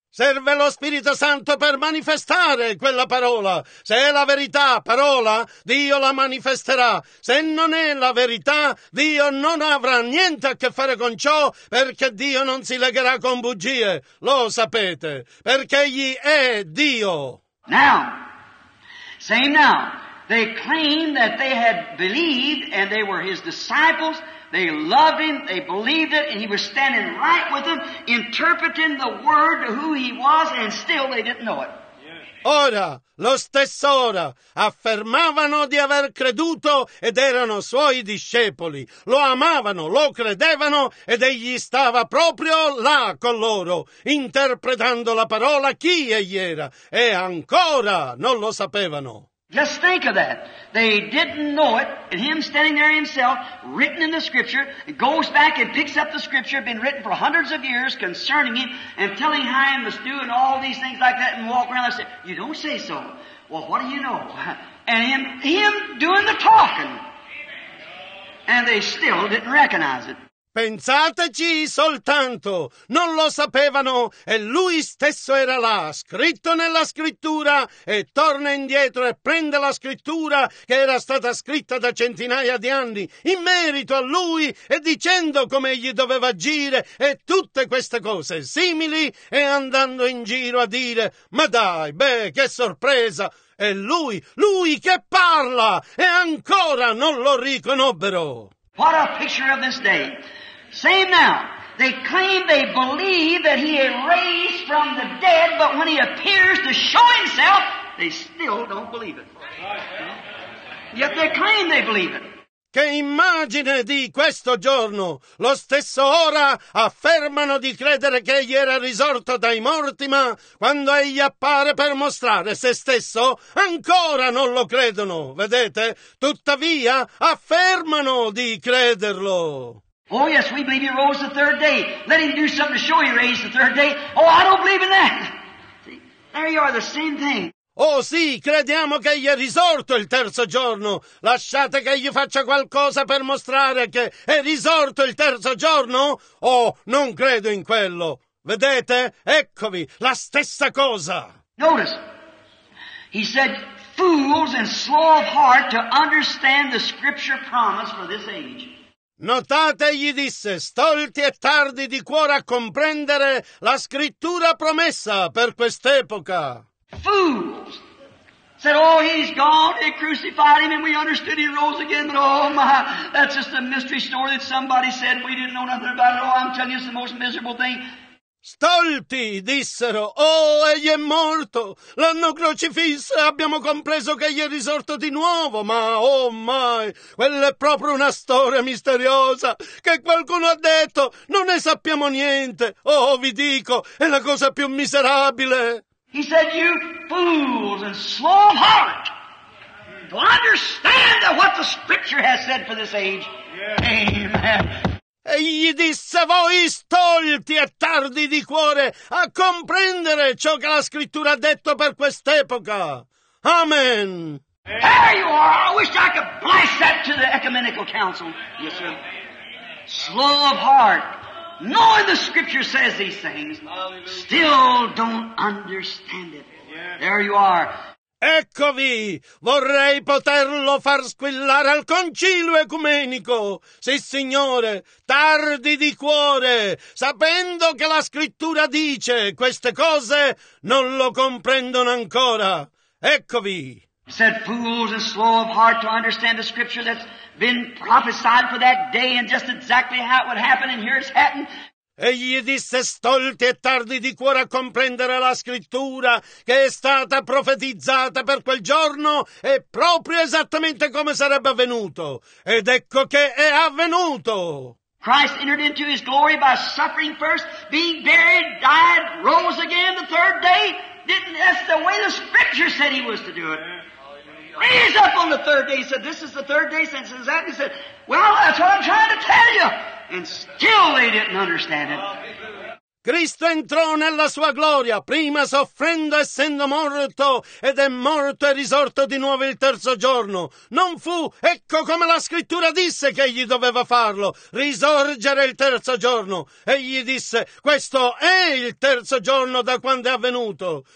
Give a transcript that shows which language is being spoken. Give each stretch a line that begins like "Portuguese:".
Italian: Serve lo Spirito Santo per manifestare quella parola. Se è la verità, parola, Dio la manifesterà. Se non è la verità, Dio non avrà niente a che fare con ciò, perché Dio non si legherà con bugie. Lo sapete, perché egli è Dio.
English: Now, same now, they claimed that they had believed and they were his disciples. They loved him, they believed it, and he was standing right with them, interpreting the word to who he was, and still they didn't know it.
Italian: Ora, lo stesso ora, affermavano di aver creduto ed erano suoi discepoli. Lo amavano, lo credevano ed egli stava proprio là con loro, interpretando la parola chi egli era. E ancora non lo sapevano.
English: Just think of that. They didn't know it, and him standing there himself, written in the scripture, goes back and picks up the scripture, been written for hundreds of years concerning him, and telling how he must do and all these things like that, and walk around and say, you don't say so. Well, what do you know? And him doing the talking. And they still didn't recognize it.
Italian: Pensateci soltanto, non lo sapevano e lui stesso era là, scritto nella scrittura, e torna indietro e prende la scrittura che era stata scritta da centinaia di anni in merito a lui e dicendo come egli doveva agire e tutte queste cose simili e andando in giro a dire, ma dai, beh, che sorpresa, è lui che parla e ancora non lo riconobbero.
English: What a picture of this day. Same now. They claim they believe that he is raised from the dead, but when he appears to show himself, they still don't believe it. Yet they claim they believe it.
Italian: Che immagine di questo giorno! Lo stesso ora affermano di credere che egli era risorto dai morti, ma quando egli appare per mostrare se stesso, ancora non lo credono, vedete? Tuttavia affermano di crederlo!
English: Oh yes, we believe he rose the third day. Let him do something to show he raised the third day. Oh, I don't believe in that. See, there you are, the same thing.
Italian: Oh sì, crediamo che egli è risorto il terzo giorno. Lasciate che egli faccia qualcosa per mostrare che è risorto il terzo giorno. Oh, non credo in quello. Vedete? Eccovi, la stessa cosa.
English: Notice, he said, fools and slow of heart to understand the scripture promise for this age.
Italian: Notate, gli disse, stolti e tardi di cuore a comprendere la scrittura promessa per quest'epoca.
English: Fools! Said, oh, he's gone, they crucified him, and we understood he rose again, but oh my, that's just a mystery story that somebody said, we didn't know nothing about it, oh, I'm telling you, it's the most miserable thing.
Italian: Stolti, dissero, oh, egli è morto, l'hanno crocifisso, abbiamo compreso che egli è risorto di nuovo, ma, oh mai, quella è proprio una storia misteriosa, che qualcuno ha detto, non ne sappiamo niente, oh, vi dico, è la cosa più miserabile.
English: He said, you fools and slow of heart, to understand what the scripture has said for this age. Amen.
Italian: E gli disse, voi stolti e tardi di cuore a comprendere ciò che la scrittura ha detto per quest'epoca. Amen.
English: There you are. I wish I could blast that to the ecumenical council. Yes, sir. Slow of heart. Knowing the scripture says these things, still don't understand it. There you are.
Italian: Eccovi, vorrei poterlo far squillare al concilio ecumenico. Sì, signore, tardi di cuore, sapendo che la scrittura dice queste cose, non lo comprendono ancora. Eccovi.
English: said fools and slow of heart to understand the scripture that's been prophesied for that day and just exactly how it would happen, and here it's happened.
Italian: Egli disse, stolti e tardi di cuore a comprendere la scrittura che è stata profetizzata per quel giorno e proprio esattamente come sarebbe avvenuto. Ed ecco che è avvenuto!
English: Christ entered into his glory by suffering first, being buried, died, rose again the third day. That's the way the scripture said he was to do it. Raised up on the third day. He said, this is the third day since that. He said, well, that's what I'm trying to tell you. And still they didn't understand it.
Italian: Cristo entrò nella sua gloria, prima soffrendo essendo morto, ed è morto e risorto di nuovo il terzo giorno. Non fu, ecco come la scrittura disse che egli doveva farlo, risorgere il terzo giorno. Egli disse, questo è il terzo giorno da quando è avvenuto.